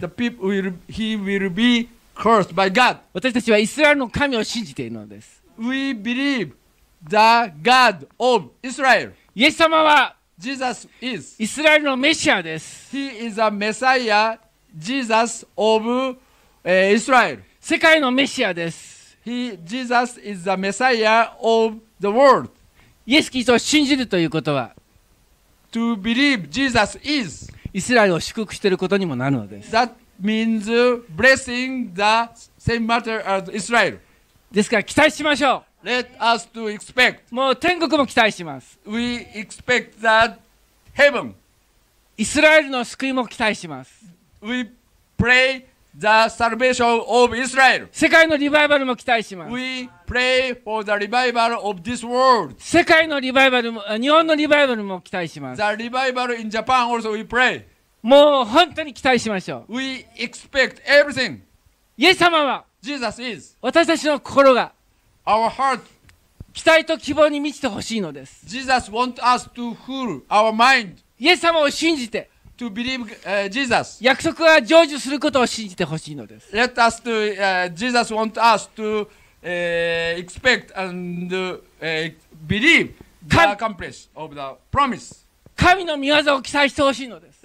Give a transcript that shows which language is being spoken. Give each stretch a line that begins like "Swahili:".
English: The people will he will be cursed by God.
Japanese: 私たちはイスラエルの神を信じているのです。
English: We believe the God of Israel.
Japanese: イエス様は
English: Jesus is
Japanese: イスラエルのメシアです。
English: He is a Messiah, Jesus of Israel.
Japanese: 世界のメシアです。
English: Jesus is the Messiah of the world.
Japanese: イエスキリストを信じるということは。
English: To believe Jesus is.
Japanese: イスラエルを祝福していることにもなるのです。
English: That means blessing the same matter as Israel.
Japanese: ですから期待しましょう。
English: Let us to expect.
Japanese: もう天国も期待します。
English: We expect that heaven.
Japanese: イスラエルの救いも期待します。
English: We pray the salvation of Israel.
Japanese: 世界のリバイバルも期待します。
English: We pray for the revival of this world.
Japanese: 世界のリバイバルも、日本のリバイバルも期待します。
English: The revival in Japan also we pray.
Japanese: もう本当に期待しましょう。
English: We expect everything.
Japanese: イエス様は、
English: Jesus is.
Japanese: 私たちの心が、
English: Our heart.
Japanese: 期待と希望に満ちてほしいのです。
English: Jesus want us to fill our mind.
Japanese: イエス様を信じて、
English: To believe Jesus.
Japanese: 約束は成就することを信じてほしいのです。
English: Let us to Jesus want us to expect and believe the accomplishment of the promise.
Japanese: 神の御業を期待してほしいのです。